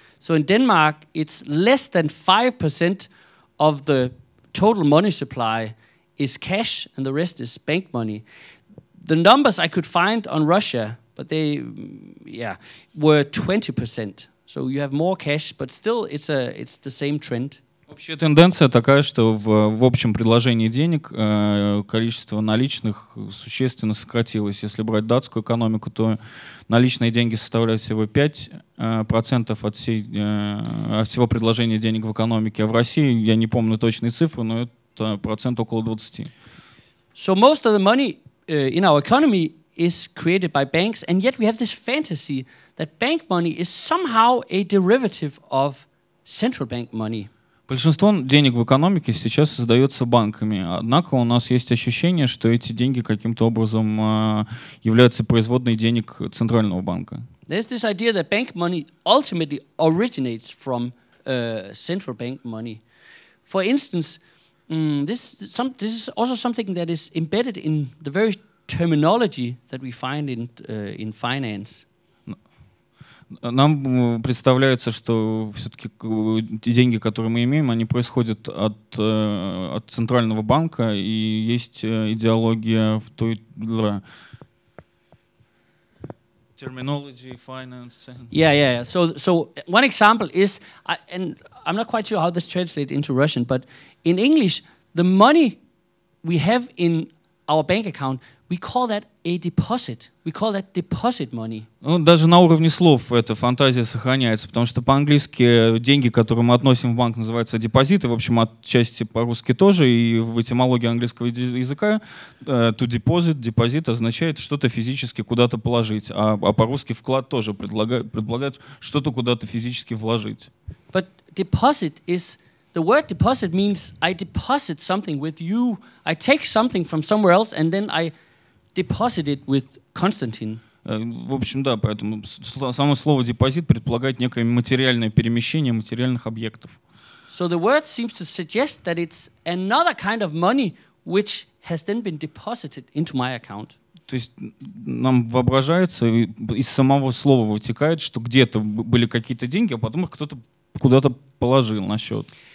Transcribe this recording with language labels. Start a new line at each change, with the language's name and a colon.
English: So in Denmark, it's less than 5% of the total money supply is cash and the rest is bank money. The numbers I could find on Russia, but they, yeah, were 20%. So you have more cash, but still it's the same trend.
Russian: Общая тенденция такая, что в общем предложении денег количество наличных существенно сократилось. Если брать датскую экономику, то наличные деньги составляют всего 5% от всего предложения денег в экономике. А в России, я не помню точные цифры, но это процент около 20.
English: So most of the money in our economy is created by banks, and yet we have this fantasy that bank money is somehow a derivative of central bank money.
Russian: Большинство денег в экономике сейчас создается банками. Однако у нас есть ощущение, что эти деньги каким-то образом являются производной денег центрального банка.
English: There's this idea that bank money ultimately originates from central bank money. For instance, this is also something that is embedded in the very terminology that we find in finance.
Russian: Нам представляется, что все-таки деньги, которые мы имеем, они происходят от центрального банка, и есть идеология в той...
English: Terminology, finance... Yeah. So one example is, and I'm not quite sure how this translates into Russian, but in English, the money we have in our bank account, we call that a deposit. We call that deposit money.
Russian: Ну, даже на уровне слов эта фантазия сохраняется, потому что по-английски деньги, которые мы относим в банк, называются депозиты. В общем, отчасти по-русски тоже. И в этимологии английского языка
English: to deposit,
Russian: депозит, означает что-то физически куда-то положить. А по-русски вклад тоже предполагает что-то куда-то физически вложить.
English: But deposit is... The word deposit means I deposit something with you. I take something from somewhere else and then I deposit it with Constantine.
Russian: В общем, да, поэтому само слово депозит предполагает некое материальное перемещение материальных объектов.
English: So the word seems to suggest that it's another kind of money which has then been deposited into my account.
Russian: То есть нам воображается, из самого слова вытекает, что где-то были какие-то деньги, а потом их кто-то куда-то положил на счет.